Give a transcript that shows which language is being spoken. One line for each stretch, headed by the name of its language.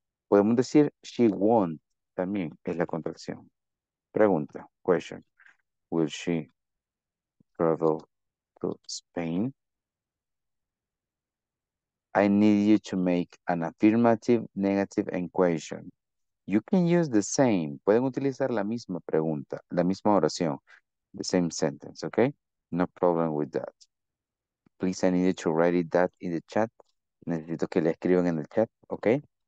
Spanish: Podemos decir
English: she won't.
Spanish: También es la contracción. Pregunta,
English: question. Will she travel to Spain? I need you to make an affirmative, negative, and question. You can use the same.
Spanish: Pueden utilizar la misma pregunta, la misma oración.
English: The same sentence, okay? No problem with that. Please, I need you to write it that in the chat.
Spanish: Necesito que le escriban en el chat, okay?